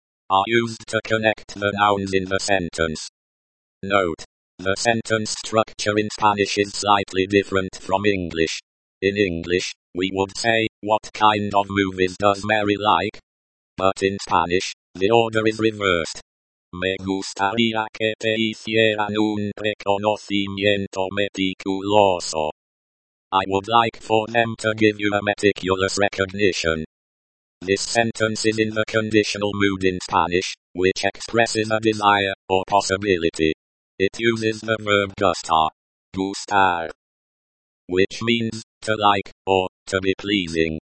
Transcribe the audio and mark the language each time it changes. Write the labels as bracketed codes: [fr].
[en] Are used to connect the nouns in the sentence. Note. The sentence structure in Spanish is slightly different from English. In English, we would say, what kind of movies does Mary like? But in Spanish, the order is reversed. [es] Me gustaría que te hicieran un reconocimiento meticuloso. [en] I would like for them to give you a meticulous recognition. This sentence is in the conditional mood in Spanish, which expresses a desire or possibility. It uses the verb gustar, gustar, which means to like or to be pleasing.